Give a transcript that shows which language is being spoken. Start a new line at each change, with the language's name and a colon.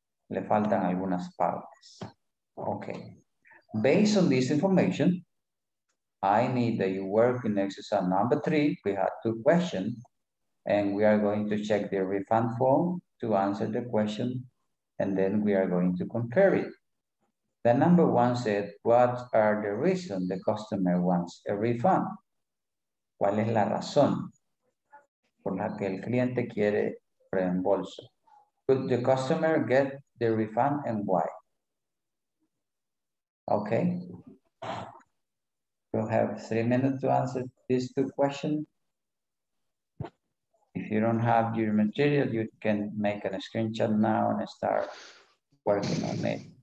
Spanish: Le faltan algunas partes.
English: Okay. Based on this information, I need that you work in exercise number three. We have two questions. And we are going to check the refund form to answer the question, and then we are going to compare it. The number one said, what are the reasons the customer wants a refund?
Spanish: ¿Cuál es la razón por la que el cliente quiere reembolso?
English: Could the customer get the refund and why? Okay. We'll have 3 minutes to answer these two questions. If you don't have your material, you can make a screenshot now and start working on it.